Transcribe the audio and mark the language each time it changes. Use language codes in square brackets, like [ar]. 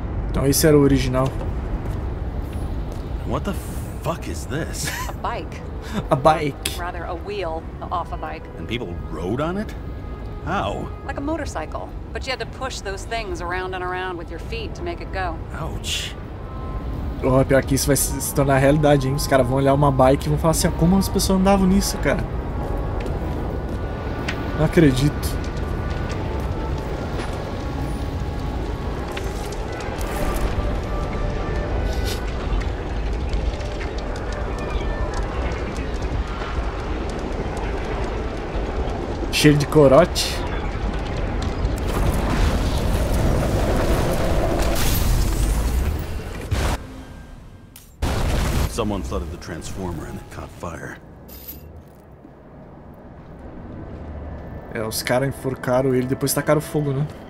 [pt] Então esse era o original. [en] What the fuck is this? A bike. A bike. Rather a wheel off a bike. And people rode on it? How? Like a motorcycle, but you had to push those things around and around with your feet to make it go. Ouch. [pt] Oh, pior que isso vai se tornar realidade, hein? Os caras vão olhar uma bike e vão falar assim, ah, como as pessoas andavam nisso, cara? Não acredito. Cheiro de corote. [en] Someone flooded the transformer and it caught fire. [pt] É, os caras enforcaram ele e depois tacaram fogo, né?